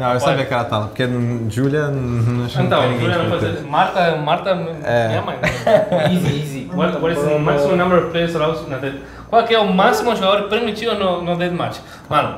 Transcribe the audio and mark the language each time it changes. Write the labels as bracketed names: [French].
[Portuguese] Não, eu sabia que ela tá lá, porque Julia não chama. Então, Julia não faz isso. Marta é minha mãe. [English] Easy. What is the maximum number of players allowed in a dead? [Portuguese] Qual que é o máximo jogador permitido no dead match? Mano.